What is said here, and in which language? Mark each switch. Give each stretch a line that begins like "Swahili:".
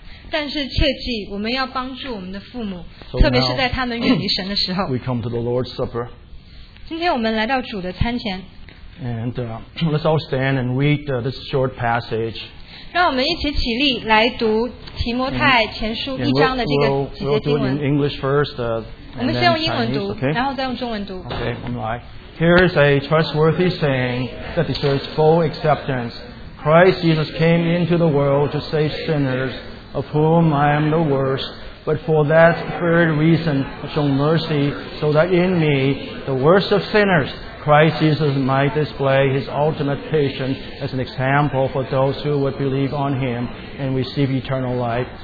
Chinese: 但是切记，我们要帮助我们的父母，特别是在他们远离神的时候。
English: We come to the Lord's Supper.
Chinese: 今天我们来到主的餐前。
English: And let's all stand and read this short passage.
Chinese: 让我们一起起立来读提摩太前书一章的这个节经文。
English: We'll do it in English first.
Chinese: 我们先用英文读，然后再用中文读。 Okay, 我们来。
English: Here is a trustworthy saying that deserves full acceptance. Christ Jesus came into the world to save sinners, of whom I am the worst, but for that very reason shown mercy, so that in me, the worst of sinners, Christ Jesus might display His ultimate patience as an example for those who would believe on Him and receive eternal life.